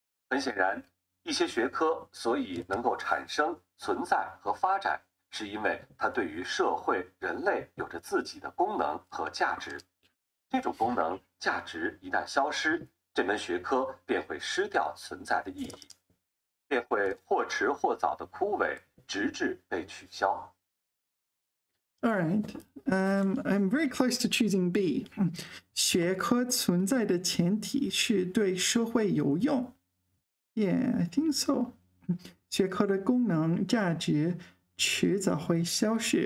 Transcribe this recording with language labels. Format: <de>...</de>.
<zh>很显然一些学科所以能够产生存在和发展是因为它对于社会人类有着自己的功能和价值这种功能价值一旦消失，这门学科便会失掉存在的意义，便会或迟或早的枯萎，直至被取消。</zh> <en>All right, I'm very close to choosing B.</en> <zh>学科存在的前提是对社会有用。</zh> <en>Yeah, I think so.</en> <zh>学科的功能价值迟早会消失。</zh>